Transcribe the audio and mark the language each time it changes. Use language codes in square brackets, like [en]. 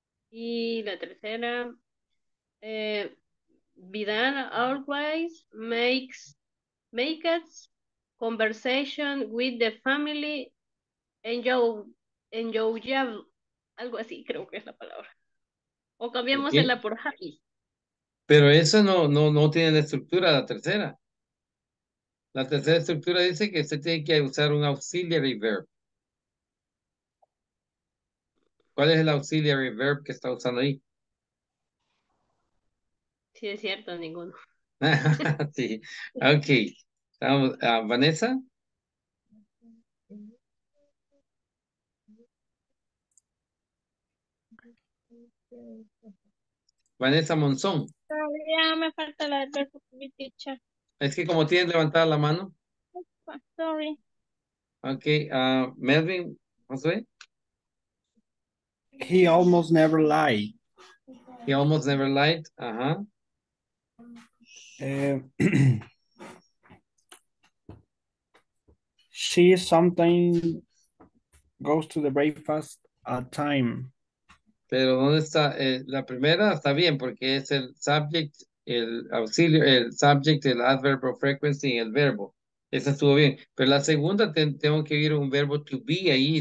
[es] Y la tercera, [en] Vidal always makes conversation with the family enjoyable. [es] Algo así creo que es la palabra. O cambiamos en la por happy. Pero esa no tiene la estructura, la tercera. La tercera estructura dice que usted tiene que usar un auxiliary verb. ¿Cuál es el auxiliary verb que está usando ahí? Sí, es cierto, ninguno. Sí, ok. Vanessa. Vanessa Monzón. Todavía me falta la de mi teacher. Es que como tienes levantada la mano. [en] Sorry. [es] Ok, Melvin, Josué. [en] He almost never lied. He almost never lied. Ajá. She sometimes goes to the breakfast at time. [es] Pero ¿dónde está? La primera está bien porque es el subject, el auxilio, el subject, el adverb of frequency y el verbo. Esa estuvo bien. Pero la segunda tengo que ir un verbo to be ahí.